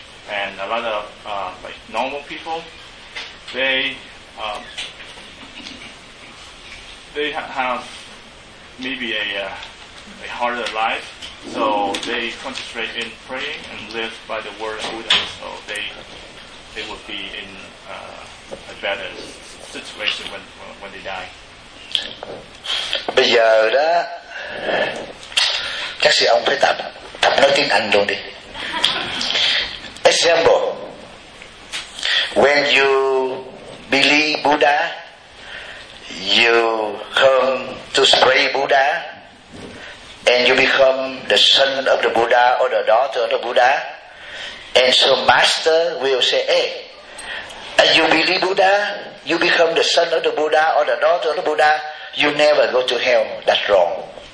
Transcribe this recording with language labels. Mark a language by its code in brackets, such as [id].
[en] And a lot of normal people, they have maybe a harder life, so they concentrate in praying and live by the word of Buddha, so they would be in a better situation when they die. [vi] Bây giờ đó chắc sĩ ông phải tập nói tiếng Anh luôn đi. [en] Example, when you believe Buddha, you come to pray Buddha, and you become the son of the Buddha or the daughter of the Buddha, and so master will say, hey, you believe Buddha, you become the son of the Buddha or the daughter of the Buddha, you never go to hell. That's wrong.